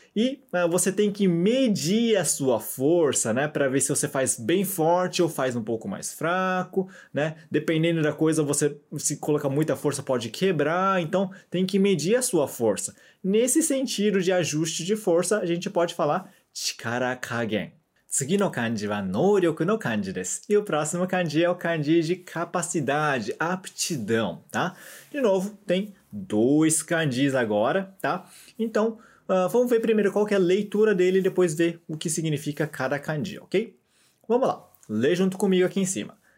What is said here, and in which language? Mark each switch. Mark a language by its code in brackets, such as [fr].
[pt] E você tem que medir a sua força, né? Para ver se você faz bem forte ou faz um pouco mais fraco, né? Dependendo da coisa, você se coloca muita força, pode quebrar. Então, tem que medir a sua força. Nesse sentido de ajuste de força, a gente pode falar 力加減。 [ja] 次の漢字は能力の漢字です。 [pt] E o próximo 漢字é o 漢字 de capacidade, aptidão, tá? De novo, tem dois 漢字 agora, tá? Então, vamos ver primeiro qual que é a leitura dele e depois ver o que significa cada 漢字, ok? Vamos lá, lê junto comigo aqui em cima.